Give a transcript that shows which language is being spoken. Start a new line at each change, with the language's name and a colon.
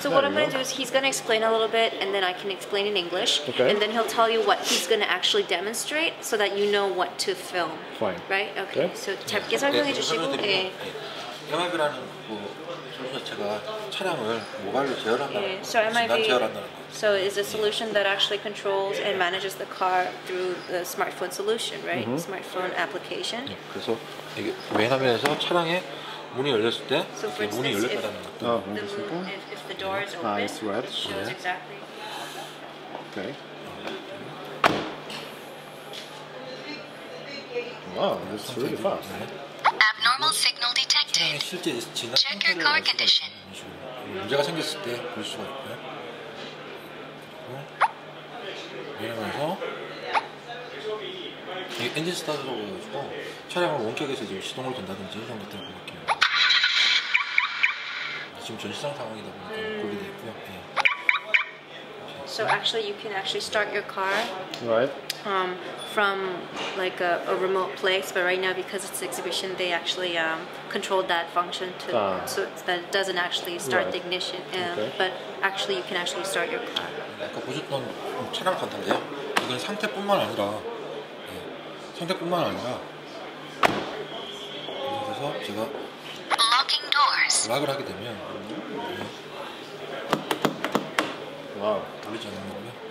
English: So what I'm going to do is he's going to explain a little bit and then I can explain in English. Okay. And then he'll tell you what he's going to actually demonstrate so that you know what to film. Fine. Right? Okay. Okay. So
Korean: 짧게
English: yeah.
Korean: 설명해
English: okay.
Korean: 주시고. 네. 영화비라는 뭐 자체가 차량을 모바일로 제어한다는 거.
English: So MIV. So it's a solution that actually controls and manages the car through the smartphone solution, right? Mm-hmm. Smartphone application.
Korean: 네. 그래서 이게 외화면에서 차량에 문이 열렸을 때
English: so for
Korean: 문이 열렸다는 것. 아, 모르겠어요.
English: If the door is open, it shows exactly. Okay.
Korean: 와,
English: wow, this is really fast. Abnormal signal detected. Check your car condition.
Korean: 문제가 생겼을 때 볼 수가 있고요. 이러면서 이게 엔진 스타트라고 해가지고 차량을 원격에서 이제 시동을 건다든지 이런 것들을 볼게요. 지금 전 시장 상황이다 보니까 고리도 있고요. 네.
English: So actually, you can actually start your car right. From like a remote place, but right now because it's exhibition, they actually controlled that function to so that it doesn't actually start right. the ignition. Okay. But actually, you can actually start your car.
Korean: 아까 보셨던 차량 상태인데요. 이건 상태뿐만 아니라 네. 상태뿐만 아니라 그래서 제가
English: locking doors.
Korean: 락을 하게 되면. 와우, 보이지 않는 거고요.